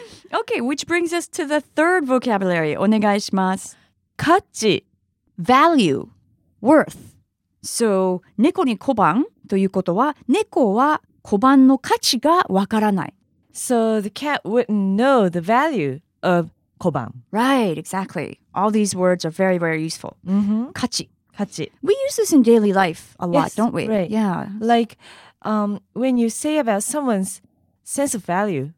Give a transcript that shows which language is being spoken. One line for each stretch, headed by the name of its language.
English: Okay, which brings us to the third vocabulary.
Japanese: お願いします。価値。
English: Value. Worth.
Japanese: So, 猫に小判ということは、猫は小判の価値がわからない。
English: So, the cat wouldn't know the value of koban. Right, exactly. All these words are very, very useful. Mm-hmm.
Japanese: Kachi. Kachi.
English: We use this in daily life a lot, yes, don't we? Right. Yeah. Like, when you say about someone's sense of value.